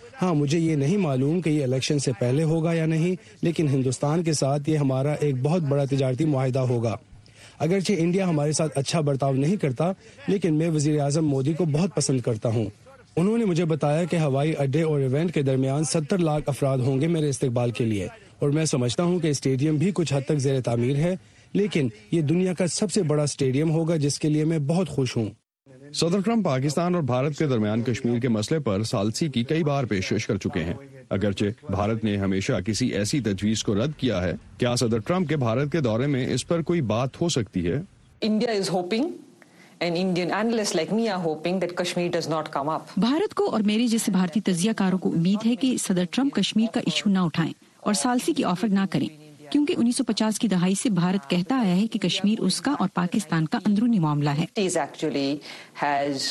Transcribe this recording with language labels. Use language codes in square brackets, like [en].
[ur] ہاں مجھے یہ نہیں معلوم کہ یہ الیکشن سے پہلے ہوگا یا نہیں، لیکن ہندوستان کے ساتھ یہ ہمارا ایک بہت بڑا تجارتی معاہدہ ہوگا۔ اگرچہ انڈیا ہمارے ساتھ اچھا برتاؤ نہیں کرتا، لیکن میں وزیر اعظم مودی کو بہت پسند کرتا ہوں۔ انہوں نے مجھے بتایا کہ ہوائی اڈے اور ایونٹ کے درمیان 70 لاکھ افراد ہوں گے میرے استقبال کے لیے، اور میں سمجھتا ہوں کہ اسٹیڈیم بھی کچھ حد تک زیر تعمیر ہے، لیکن یہ دنیا کا سب سے بڑا اسٹیڈیم ہوگا جس کے لیے میں بہت خوش ہوں۔ صدر ٹرمپ پاکستان اور بھارت کے درمیان کشمیر کے مسئلے پر ثالثی کی کئی بار پیشکش کر چکے ہیں، اگرچہ بھارت نے ہمیشہ کسی ایسی تجویز کو رد کیا ہے۔ کیا صدر ٹرمپ کے بھارت کے دورے میں اس پر کوئی بات ہو سکتی ہے؟ [en] India is hoping and Indian analysts like me are hoping that Kashmir does not come up. [ur] Bharat کو اور میرے جیسے بھارتی تجزیہ کاروں کو امید ہے کہ صدر ٹرمپ کشمیر کا ایشو نہ اٹھائیں اور ثالثی کی آفر نہ کریں، کیونکہ 1950 کی دہائی سے بھارت کہتا آیا ہے کہ کشمیر اس کا اور پاکستان کا اندرونی معاملہ ہے۔